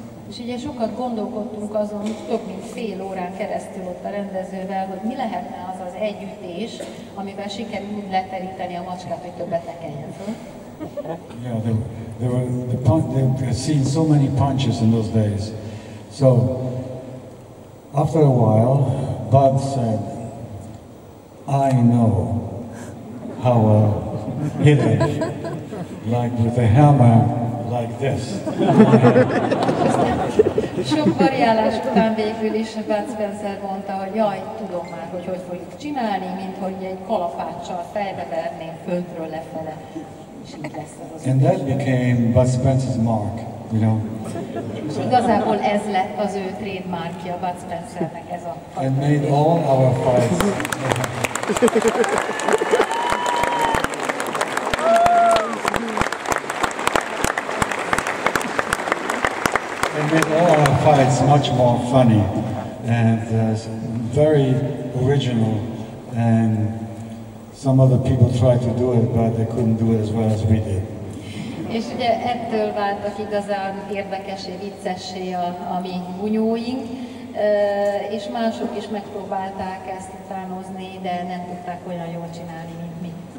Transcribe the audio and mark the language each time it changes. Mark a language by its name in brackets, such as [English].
[Hungarian] És ugye sokat gondolkodtunk azon, több mint fél órán keresztül ott a rendezővel, hogy mi lehetne az az együttés, amivel sikerült leteríteni a macskát, hogy többet ne kelljen föl. [English] Yeah, they had seen so many punches in those days. So, after a while, Bud said, I know how well hit it. Like with a hammer, like this. [Hungarian] Sok variálás után végül is Bud Spencer mondta, hogy jaj, tudom már, hogy hogy fogjuk csinálni, mint hogy egy kalapáccsal fejbe verném föntről lefele. [English] And that became Bud Spencer's mark, you know. [Hungarian] És igazából ez lett az ő trademarkja, Bud Spencernek ez a [English] fight. And made all our fights. And made all our fights much more funny and very original. And some other people tried to do it, but they couldn't do it as well as we did. [Hungarian] És ugye ettől váltak igazán érdekessé, viccessé a mi bunyóink, és mások is megpróbálták ezt utánozni, de nem tudták olyan jól csinálni, mint mi.